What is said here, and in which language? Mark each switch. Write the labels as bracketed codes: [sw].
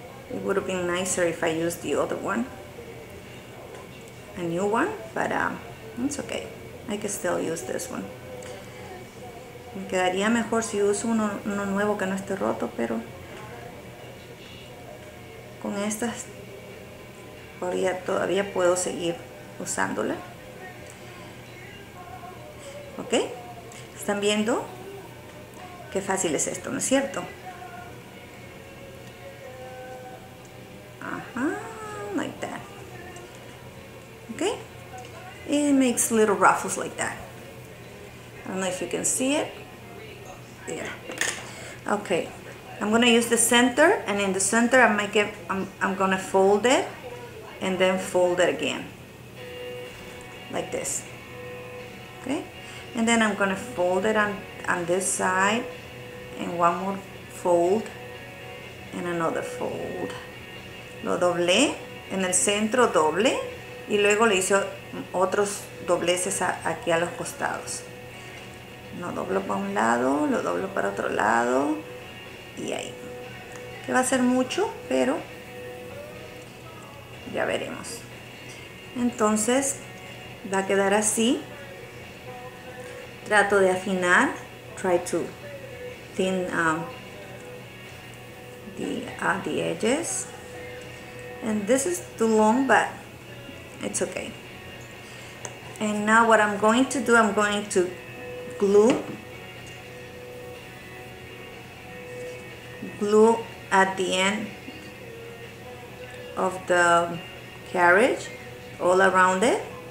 [en] It would have been nicer if I used the other one, a new one, but it's okay. I can still use this one. [es] Me quedaría mejor si uso uno nuevo que no esté roto, pero con estas todavía puedo seguir usándola. Ok, están viendo qué fácil es esto, ¿no es cierto? [en] Ajá, like that. Ok, it makes little ruffles like that. I don't know if you can see it. Yeah. Ok, I'm going to use the center, and in the center I'm going to fold it and then fold it again like this. Okay, and then I'm gonna fold it on this side, and one more fold and another fold. [es] Lo doblé en el centro, doble, y luego le hice otros dobleces aquí a los costados. Lo doblo para un lado, lo doblo para otro lado, y ahí, que va a ser mucho, pero ya veremos. Entonces va a quedar así. Trato de afinar, [en] try to thin the edges, and this is too long, but it's okay. And now what I'm going to do, I'm going to glue at the end of the carriage, all around it.